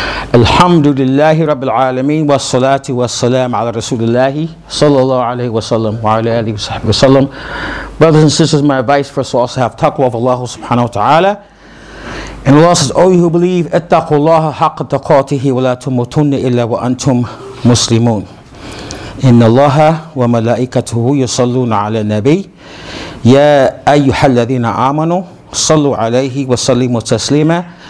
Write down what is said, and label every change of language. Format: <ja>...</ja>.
<ar>الحمد لله رب العالمين والصلاة والسلام على رسول الله صلى الله عليه وسلم وعلى آله وصحبه وسلم.</ar> <en>Brothers and sisters, my advice for us also have taqwa of Allah subhanahu wa ta'ala. And Allah says, O you who believe,</en> <ar>اتقوا الله حق تقاته ولا تموتن إلا وأنتم مسلمون. إن الله وملائكته يصلون على النبي يا أيها الذين آمنوا صلوا عليه وسلموا تسليما.</ar>